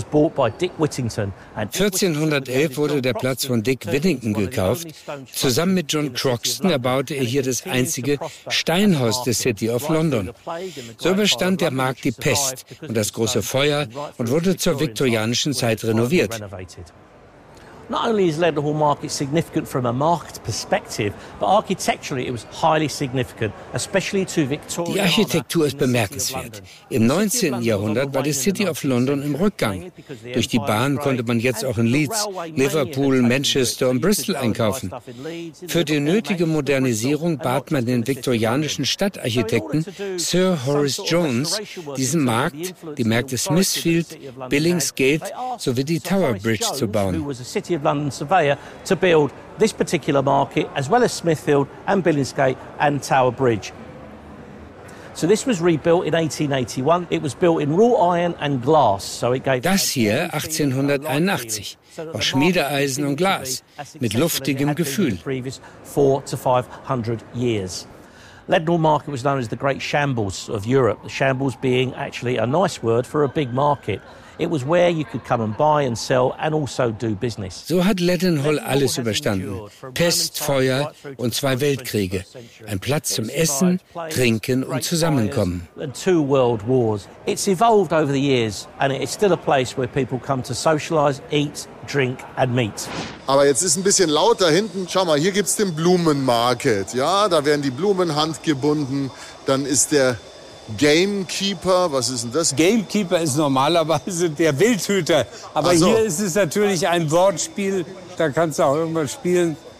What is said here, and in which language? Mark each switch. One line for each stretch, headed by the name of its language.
German: 1411 wurde der Platz von Dick Whittington gekauft. Zusammen mit John Croxton erbaute er hier das einzige Steinhaus der City of London. So überstand der Markt die Pest und das große Feuer und wurde zur viktorianischen Zeit renoviert.
English: Not only is Leadenhall Market significant from a market perspective, but architecturally it was highly significant, especially to Victorian.
German: Die Architektur ist bemerkenswert. Im 19. Jahrhundert war die City of London im Rückgang. Durch die Bahn konnte man jetzt auch in Leeds, Liverpool, Manchester und Bristol einkaufen. Für die nötige Modernisierung bat man den viktorianischen Stadtarchitekten Sir Horace Jones, diesen Markt, die Märkte Smithfield, Billingsgate sowie die Tower Bridge zu bauen.
English: City of London surveyor to build this particular market as well as Smithfield and Billingsgate and Tower Bridge. So this was rebuilt in 1881. It was built in wrought iron and glass. So it gave
German: das hier 1881 aus Schmiedeeisen und Glas mit luftigem Gefühl.
English: Previous 400 to 500 years. Leadenhall Market was known as the Great Shambles of Europe. The shambles being actually a nice word for a big market. It was where you could come and buy and sell and also do business.
German: So hat Leadenhall alles überstanden. Pest, Feuer und zwei Weltkriege. Ein Platz zum Essen, Trinken und Zusammenkommen.
English: And two world wars. It's evolved over the years and it's still a place where people come to socialize, eat, drink and meet.
German: Aber jetzt ist ein bisschen laut da hinten. Schau mal, hier gibt's den Blumenmarkt. Ja, da werden die Blumen handgebunden, dann ist der Gamekeeper, was ist denn das? Gamekeeper ist normalerweise der Wildhüter. Aber so. Hier ist es natürlich ein Wortspiel, da kannst du auch irgendwas spielen.